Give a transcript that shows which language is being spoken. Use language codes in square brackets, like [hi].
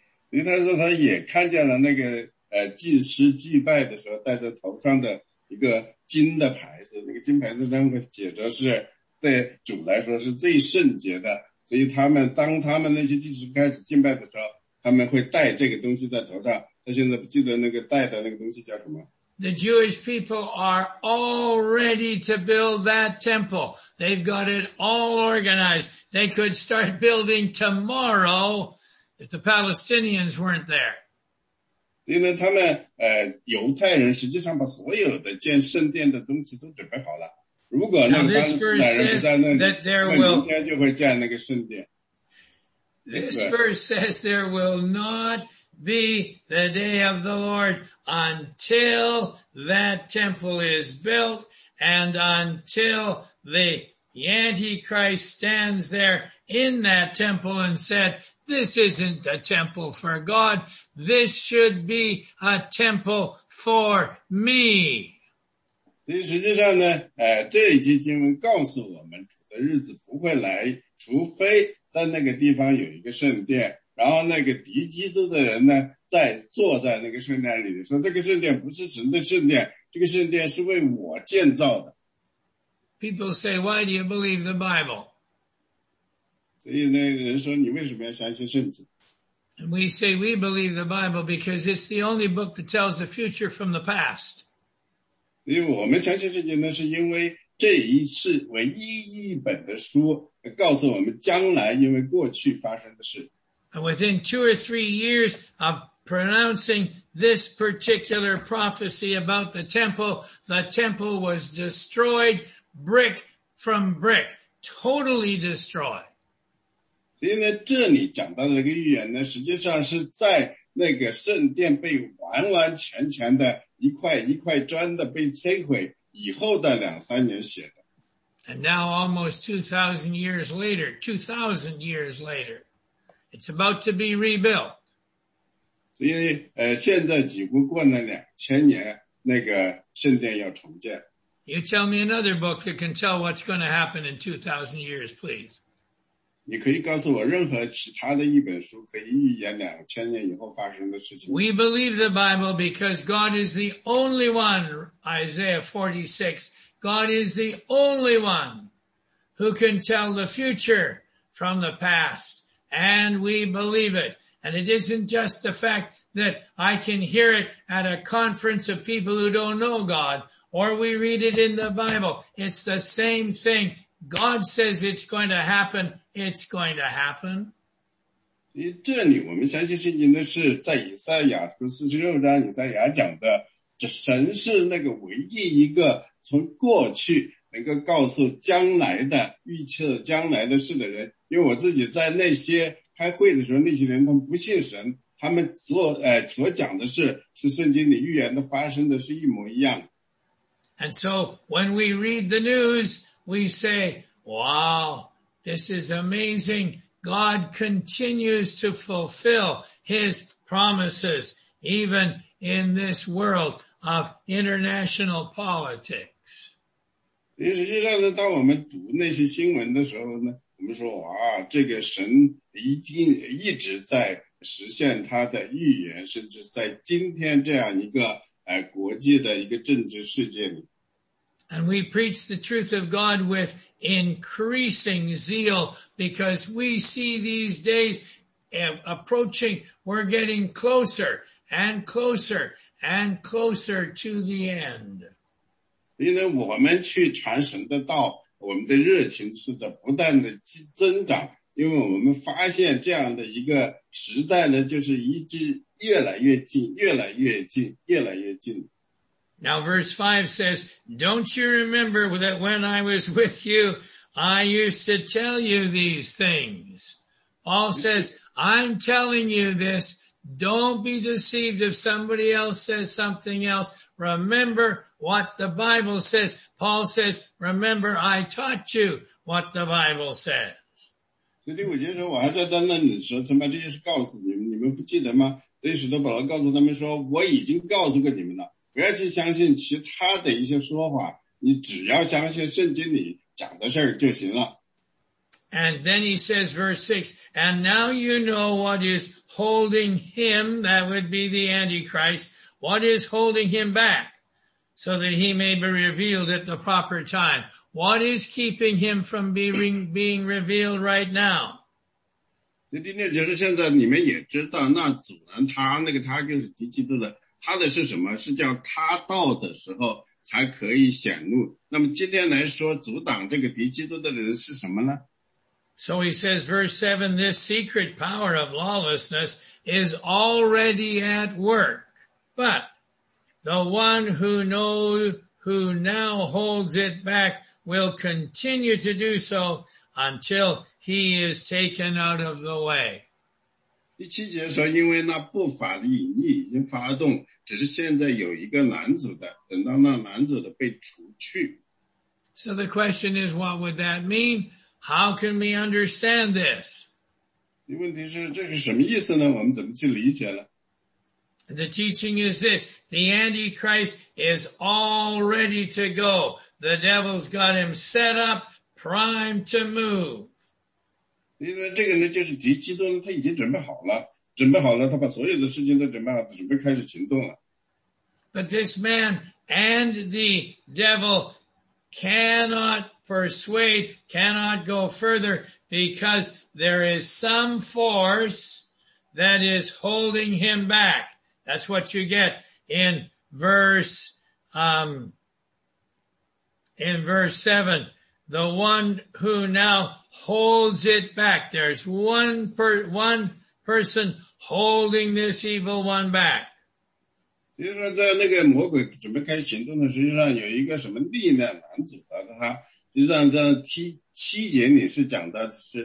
[zh] 因为他说他也看见了那个祭司祭拜的时候戴着头上的一个金的牌子，那个金牌子上写着是对主来说是最圣洁的，所以他们当他们那些祭司开始敬拜的时候，他们会戴这个东西在头上。他现在不记得那个戴的那个东西叫什么。 [en] The Jewish people are all ready to build that temple. They've got it all organized. They could start building tomorrow if the Palestinians weren't there. [zh] 因为他们犹太人实际上把所有的建圣殿的东西都准备好了。如果那个巴勒斯坦人不在那里，那明天就会建那个圣殿。 [en] This verse says there will not be the day of the Lord. Until that temple is built and until the Antichrist stands there in that temple and said, this isn't a temple for God. This should be a temple for me. [zh] 所以实际上呢这一节经文告诉我们主的日子不会来除非在那个地方有一个圣殿。然后那个敌基督的人呢在坐在那个圣殿里说这个圣殿不是神的圣殿这个圣殿是为我建造的。 [en] People say, why do you believe the Bible? [zh] 所以那个人说你为什么要相信圣经 [en] And we say we believe the Bible because it's the only book that tells the future from the past. [zh] 所以我们相信圣经呢是因为这一次唯一一本的书告诉我们将来因为过去发生的事。 [en] And within two or three years of pronouncing this particular prophecy about the temple was destroyed brick from brick, totally destroyed. [zh] 所以呢这里讲到的这个预言呢实际上是在那个圣殿被完完全全的一块一块砖的被摧毁以后的两三年写的。 [en] And now almost 2,000 years later, 2,000 years later, It's about to be rebuilt. [zh] 所以现在几乎过了2000年那个圣殿要重建。 [en] You tell me another book that can tell what's going to happen in 2,000 years, please. [zh] 你可以告诉我任何其他的一本书可以预言2000年以后发生的事情。 [en] We believe the Bible because God is the only one, Isaiah 46, God is the only one who can tell the future from the past. And we believe it. And it isn't just the fact that I can hear it at a conference of people who don't know God, or we read it in the Bible. It's the same thing. God says it's going to happen. It's going to happen. [zh] 这里我们相信圣经的是在以赛亚书46章以赛亚讲的，这神是那个唯一一个从过去能够告诉将来的，预测将来的事的人。因为我自己在那些开会的时候，那些人他们不信神，他们所讲的事是圣经里预言的发生的是一模一样的。 [en] And so when we read the news, we say, wow, this is amazing. God continues to fulfill his promises, even in this world of international politics. [zh] 实际上呢，当我们读那些新闻的时候呢，我们说，哇，这个神一直在实现他的预言，甚至在今天这样一个国际的一个政治世界里。 [en] And we preach the truth of God with increasing zeal because we see these days approaching, we're getting closer and closer and closer to the end. [zh] 因为我们去传神的道，我们的热情是在不断的增长，因为我们发现这样的一个时代呢，就是一直越来越近，越来越近，越来越近。 [en] Now verse 5 says, don't you remember that when I was with you, I used to tell you these things? Paul says, I'm telling you this. Don't be deceived if somebody else says something else. Remember what the Bible says. Paul says, remember I taught you what the Bible says. [zh] 所以第五节说，我还在担当你的时候，曾把这些事告诉你们，你们不记得吗？所以使徒保罗告诉他们说，我已经告诉过你们了。不要去相信其他的一些说法，你只要相信圣经里讲的事儿就行了。 [en] And then he says, verse 6, and now you know what is holding him, that would be the Antichrist, what is holding him back, so that he may be revealed at the proper time. What is keeping him from being revealed right now? [zh] 那第六节是现在你们也知道，那阻拦他，那个他就是敌基督的。他的是什么？是叫他到的时候才可以显露。那么今天来说，阻挡这个敌基督的人是什么呢？ [en] So he says, verse 7, this secret power of lawlessness is already at work. But the one who now holds it back will continue to do so until he is taken out of the way. [zh] 第七节说，因为那不法的隐匿已经发动，只是现在有一个拦阻的，等到那拦阻的被除去。 [en] So the question is, what would that mean? How can we understand this? [zh] 问题是，这是什么意思呢？我们怎么去理解呢？ [en] The teaching is this, the Antichrist is all ready to go. The devil's got him set up, primed to move. [zh] 因为这个呢，就是敌基督呢，他已经准备好了。准备好了，他把所有的事情都准备好，准备开始行动了。 [en] But this man and the devil cannot persuade, cannot go further because there is some force that is holding him back. That's what you get in verse 7. The one who now holds it back. There's one person holding this evil one back. [zh] 就是说在那个魔鬼准备开始行动的时候，实际上有一个什么力量拦阻他，实际上在七节里是讲到的是。